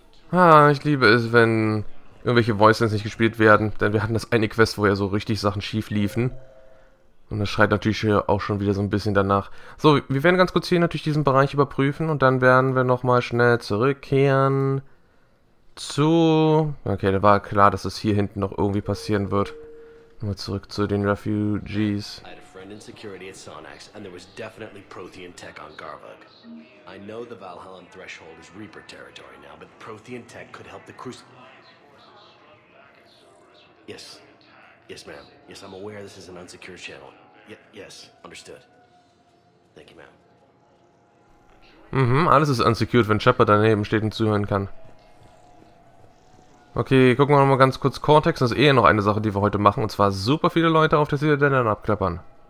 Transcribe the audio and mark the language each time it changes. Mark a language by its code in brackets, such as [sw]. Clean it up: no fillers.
[de] Ah, ich liebe es, wenn irgendwelche Voice Lines nicht gespielt werden, denn wir hatten das eine Quest, wo ja so richtig Sachen schief liefen. Und das schreit natürlich hier auch schon wieder so ein bisschen danach. So, wir werden ganz kurz hier natürlich diesen Bereich überprüfen und dann werden wir nochmal schnell zurückkehren zu... Okay, da war klar, dass es hier hinten noch irgendwie passieren wird. Nochmal zurück zu den Refugees. [en] I had a friend in security at Sonax and there was definitely Prothean tech on Garvug. I know the Valhalla threshold is Reaper territory now, but Prothean tech could help the Crucible. Yes. Yes, ma'am. Yes, I'm aware this is an unsecured channel. Yes, understood. Thank you, ma'am. [de] Mhm, alles ist unsecured, wenn Shepard daneben steht und zuhören kann. Okay, gucken wir nochmal ganz kurz Cortex. Das ist eh noch eine Sache, die wir heute machen, und zwar super viele Leute auf der Citadel abklappern.